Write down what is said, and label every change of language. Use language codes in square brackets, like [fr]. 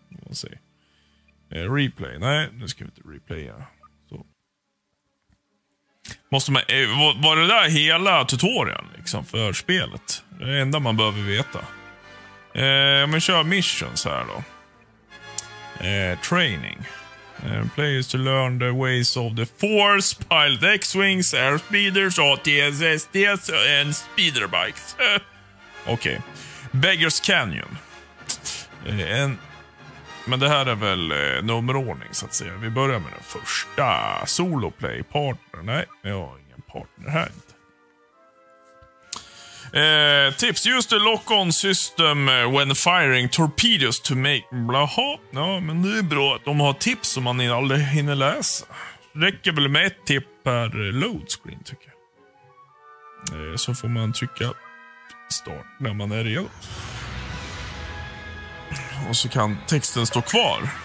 [sv] Om man säger. Replay. Nej, nu ska vi inte replaya. Så. Måste man, var det där hela tutorialen liksom för spelet? Det är det enda man behöver veta. Om vi kör missions här då. [en] Training. Players to learn the ways of the Force, pilot X-wings, airspeeders, AT-STs and speeder bikes. [sv] Okej. Beggar's Canyon. Men det här är väl nummerordning så att säga. Vi börjar med den första. [en] Soloplay partner. [sv] Nej, jag har ingen partner här inte. [en] Tips. Use the lock-on system when firing torpedoes to make... Blaha. [sv] Ja, men det är bra att de har tips som man aldrig hinner läsa. Räcker väl med ett tip per load screen tycker jag. Så får man trycka start när man är redo. Och så kan texten stå kvar.